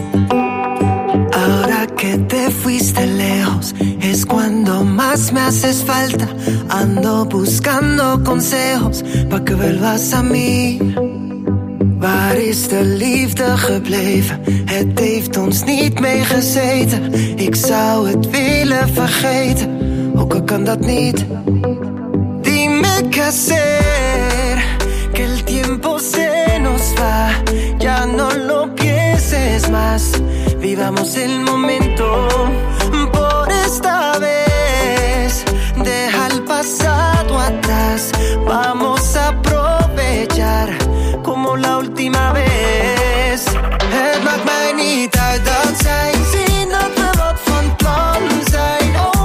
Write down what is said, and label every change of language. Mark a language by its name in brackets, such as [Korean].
[Spanish] Ahora que te fuiste lejos, es cuando más me haces falta. Ando buscando consejos, pa' que vuelvas a mí. [Dutch] Waar is de liefde gebleven? Het heeft ons niet meegezeten. Ik zou het willen vergeten, hoe kan dat niet? [Spanish] Hacer que el tiempo se nos va, ya no lo pienses más, vivamos el momento. Por esta vez, deja el pasado atrás, vamos a aprovechar como la última vez. [Dutch] Het maakt mij niet uit dat zij zien dat we wat van plan zijn.